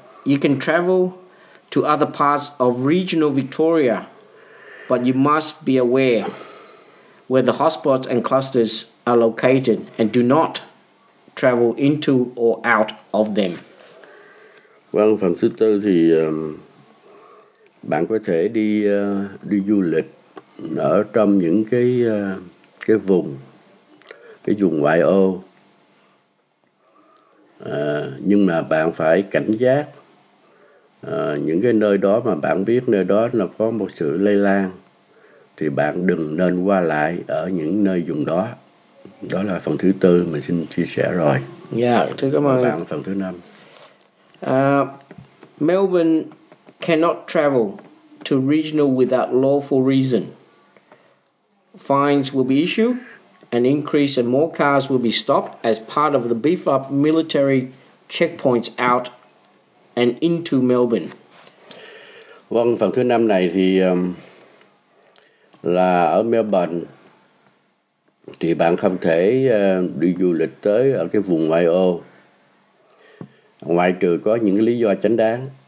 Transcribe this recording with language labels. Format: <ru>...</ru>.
<en>You can travel to other parts of regional Victoria, but you must be aware where the hotspots and clusters are located and do not travel into or out of them.</en> <vi>Vâng, phần thứ tư thì bạn có thể đi đi du lịch ở trong những cái vùng ngoại ô, nhưng mà bạn phải cảnh giác những cái nơi đó mà bạn biết nơi đó là có một sự lây lan thì bạn đừng nên qua lại ở những nơi vùng đó. Đó là phần thứ tư mình xin chia sẻ rồi. Dạ, thưa cảm ơn. Bạn phần thứ năm.</vi> <en>Melbourne cannot travel to regional without lawful reason. Fines will be issued. An increase and more cars will be stopped as part of the beef up military checkpoints out and into Melbourne.</en> <vi>Vâng, phần thứ năm này thì là ở Melbourne thì bạn không thể đi du lịch tới ở cái vùng ngoại ô ngoại trừ có những lý do chính đáng.</vi>